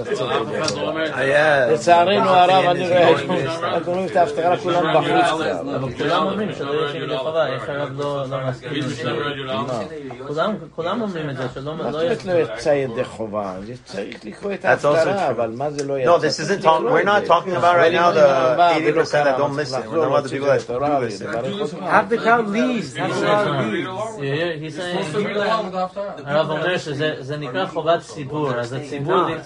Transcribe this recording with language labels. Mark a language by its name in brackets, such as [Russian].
[Hebrew] הצדד. לצערנו הרב, אני רואה, אנחנו רואים את ההפטרה כולם בחוץ. כולם אומרים שלא יש ידי חובה, איך הרב לא מסכים? כולם אומרים את זה, שלא יש ידי חובה. מה זאת אומרת לא יצא ידי חובה? זה צריך לקרוא את ההפטרה, אבל מה זה לא יצא? [English] No, this isn't talking, we're not talking about right now the 80% that don't listen. We're not the people that do listen. Have the crowd leave. Have the crowd leave. He's saying, [Hebrew] הרב אומר שזה נקרא חובת ציבור, אז הציבור